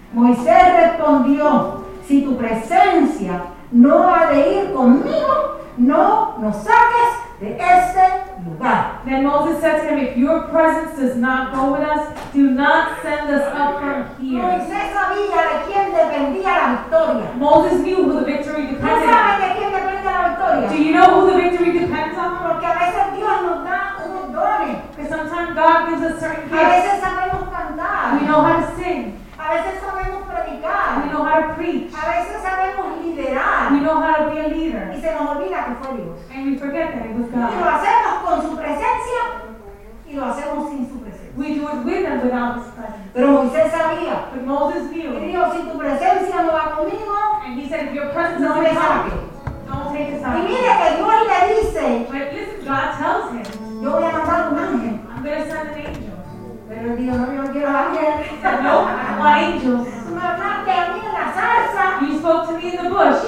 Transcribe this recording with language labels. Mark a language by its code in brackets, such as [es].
[es] Moisés respondió, si tu presencia no ha de ir conmigo, no nos saques de este lugar. [en] Then Moses said to him, if your presence does not go with us, do not send us up from here. [es] Moisés sabía de quién dependía la victoria. [en] Moses knew who the victory depended on. [es] ¿Tú sabes de quién depende la victoria? [en] Do you know who the victory depends on? [es] Porque a veces Dios nos da unos dones. [en] Because sometimes God gives us certain gifts. [es] A veces sabemos cantar. [en] We know how to sing. [es] A veces sabemos predicar. [en] We know how to preach. [es] A veces sabemos liderar. [en] We know how to be a leader. [es] Y se nos olvida que fue Dios. [en] And we forget that it was God. [es] Y lo hacemos con su presencia y lo hacemos sin su presencia. [en] We do it with and without his presence. [es] Pero Moisés sabía. [en] But Moses knew. [es] Y dijo, si tu presencia no va conmigo, [en] and he said, if your presence [es] no me saque. [en] Don't take us out. [es] Y mire que Dios le dice. [en] But listen, God tells him. [es] Yo voy a mandar un ángel. [en] I'm going to send an angel. [es] Pero Dios no me quiero ángeles. [en] No, no angels. [es] Me hablaste a mí en la salsa. [en] You spoke to me in the bush.